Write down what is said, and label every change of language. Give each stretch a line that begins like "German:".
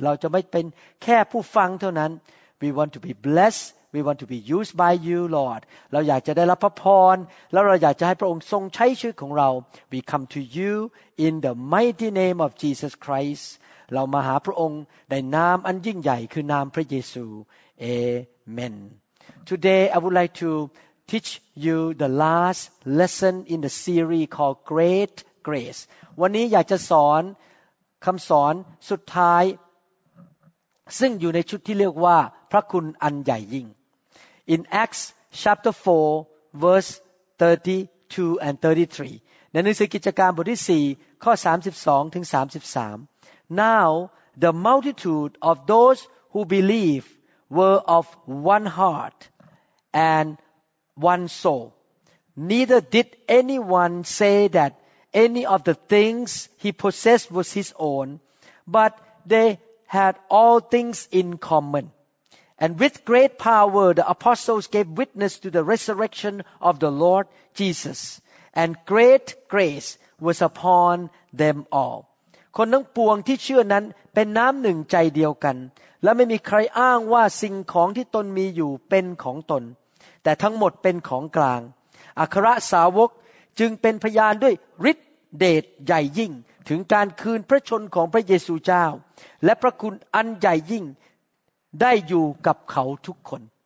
Thai: เราจะไม่เป็นแค่ผู้ฟังเท่านั้น
English: We want to be blessedWe want to be used by you, Lord.
Thai: เราอยากจะได้รับพระพรแล้วเราอยากจะให้พระองค์ทรงใช้ชีวิตของเรา
English: We come to you in the mighty name of Jesus Christ.
Thai: เรามาหาพระองค์ในนามอันยิ่งใหญ่คือนามพระเยซู Amen.
English: Today I would like to teach you the last lesson in the series called Great Grace.
Thai: วันนี้อยากจะสอนคำสอนสุดท้ายซึ่งอยู่ในชุดที่เรียกว่าพระคุณอันใหญ่ยิ่ง
English: In Acts chapter 4 verse 32 and 33
Thai: ในหนังสือกิจการบทที่4ข้อ32ถึง33
English: Now the multitude of those who believe were of one heart and one soul Neither did anyone say that any of the things he possessed was his own but theyhad all things in common. And with great power, the apostles gave witness to the resurrection of the Lord Jesus. And great grace was upon them all.
Thai: คนทั้งปวงที่เชื่อนั้นเป็นน้ำหนึ่งใจเดียวกันและไม่มีใครอ้างว่าสิ่งของที่ตนมีอยู่เป็นของตนแต่ทั้งหมดเป็นของกลางอัครสาวกจึงเป็นพยานด้วยฤทธิ์เดชใหญ่ยิ่งถึงการคืนพระชนของพระเยซูเจ้าและพระคุณอันใหญ่ยิ่งได้อยู่กับเขาทุกคน